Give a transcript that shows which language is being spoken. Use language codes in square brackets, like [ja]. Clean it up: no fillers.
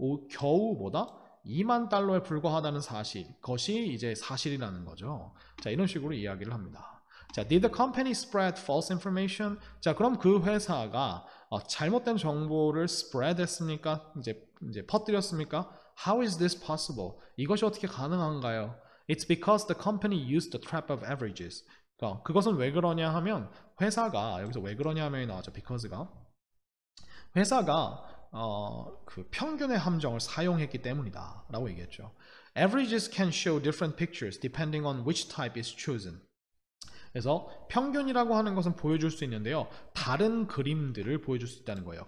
[ko] 겨우보다 2만 달러에 불과하다는 사실, 그것이 이제 사실이라는 거죠. 자, 이런 식으로 이야기를 합니다. 자, [en] did the company spread false information? [ko] 자, 그럼 그 회사가 잘못된 정보를 spread 했습니까? 이제 퍼뜨렸습니까? [en] How is this possible? [ko] 이것이 어떻게 가능한가요? [en] It's because the company used the trap of averages. [ko] 그것은 왜 그러냐 하면 회사가 여기서 왜 그러냐 하면 나왔죠. Because가 회사가 그 평균의 함정을 사용했기 때문이다라고 얘기했죠. [en] Averages can show different pictures depending on which type is chosen. [ko] 그래서 평균이라고 하는 것은 보여줄 수 있는데요. 다른 그림들을 보여줄 수 있다는 거예요.